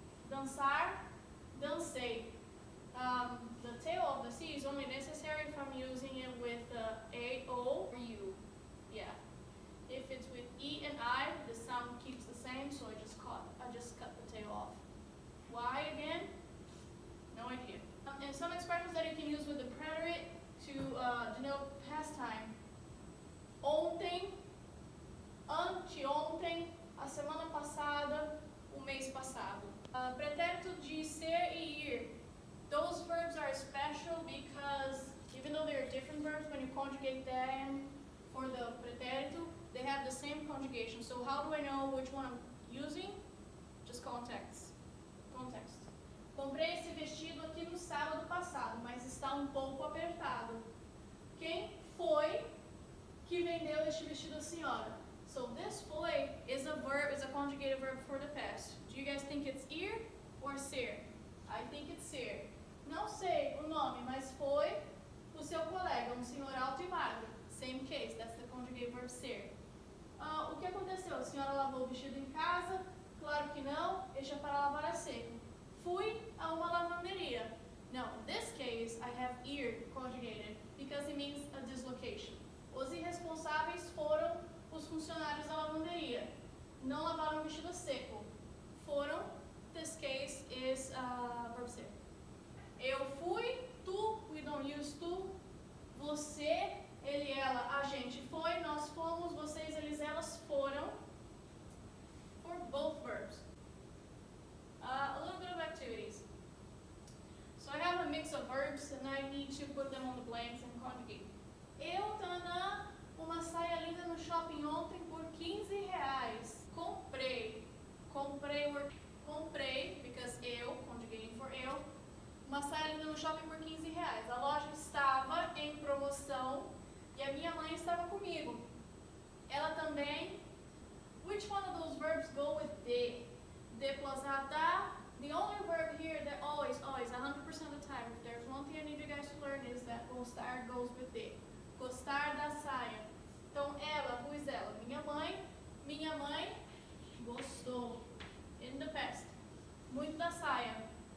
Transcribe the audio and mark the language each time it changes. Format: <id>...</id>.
<pt>Dançar, dancei.</pt> <en>The tail of the C is only necessary if I'm using it with A, O, or U. Yeah. If it's with E and I, the sound keeps the same, so I just cut the tail off. Why again? No idea. And some expressions that you can use with the preterite to denote past time.</en> <pt>Ontem, anteontem, a semana passada, o mês passado. Pretérito de ser e ir.</pt> <en>Those verbs are special because even though they are different verbs, when you conjugate them for the pretérito, they have the same conjugation. So how do I know which one I'm using? Just context. Context.</en> <pt>Comprei esse vestido aqui no sábado passado, mas está um pouco apertado. Quem foi que vendeu este vestido à senhora?</pt> <en>So this foi is a conjugated verb for the past. Do you guys think it's ir or ser. I think it's ser.</en> <pt>Não sei o nome, mas foi o seu colega, um senhor alto e magro.</pt> <en>Same case, that's the conjugate verb ser.</en> <pt>O que aconteceu? A senhora lavou o vestido em casa? Claro que não, este é para lavar a seco. Fui a uma lavanderia.</pt> <en>Now, in this case, I have ir conjugated because it means a dislocation.</en> <pt>Os irresponsáveis foram os funcionários da lavanderia. Não lavaram o vestido seco. Foram,</pt> <en>this case is verb</en> <pt>ser. Eu fui, tu,</pt> <en>we don't use</en> <pt>tu, você, ele, ela, a gente foi, nós fomos, vocês, eles, elas foram,</pt> <en>for both verbs. A little bit of activities. So I have a mix of verbs and I need to put them on the blanks and conjugate.</en> <pt>Eu, Tana, uma saia linda no shopping ontem por 15 reais. Comprei.</pt> <en>Comprei, or comprei, because eu, conjugating for eu.</en> <pt>Uma saia linda no shopping por 15 reais. A loja estava em promoção e a minha mãe estava comigo. Ela também.</pt> <en>Which one of those verbs go with de? De plus a da. The only verb here that always, always, 100% of the time, if there's one thing I need you guys to learn is that gostar goes with de.</en> <pt>Gostar da saia. Então ela,</pt> <en>who is</en> <pt>ela? Minha mãe gostou.</pt> <en>In the past.</en> <pt>Muito da saia.</pt>